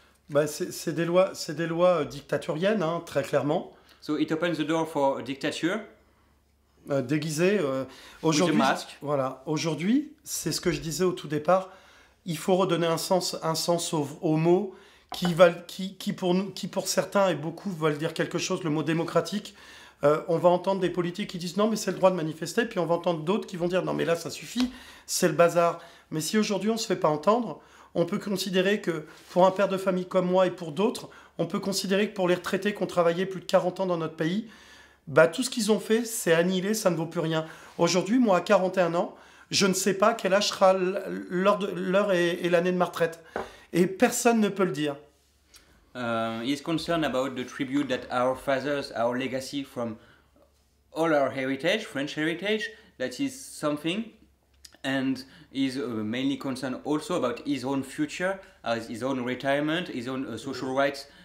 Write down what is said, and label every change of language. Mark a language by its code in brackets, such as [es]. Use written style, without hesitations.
[fr] Bah, c'est des lois dictatoriennes, hein, très clairement. [en] So it opens the door for a dictature. [fr] Déguisé aujourd'hui, voilà, aujourd'hui c'est ce que je disais au tout départ, il faut redonner un sens au mot qui pour certains et beaucoup veulent dire quelque chose, le mot démocratique. On va entendre des politiques qui disent non mais c'est le droit de manifester, puis on va entendre d'autres qui vont dire non mais là ça suffit, c'est le bazar. Mais si aujourd'hui on se fait pas entendre, on peut considérer que pour un père de famille comme moi et pour d'autres, on peut considérer que pour les retraités qui ont travaillé plus de 40 ans dans notre pays, bah, tout ce qu'ils ont fait, c'est annihilé, ça ne vaut plus rien. Aujourd'hui, moi, à 41 ans, je ne sais pas quel âge sera l'heure et l'année de ma retraite. Et personne ne peut le dire. Il est concerné [en] about the tribute that our fathers, our legacy from all our heritage, French heritage, that is something. And he's mainly concerned also about his own future, as his own retirement, his own social rights.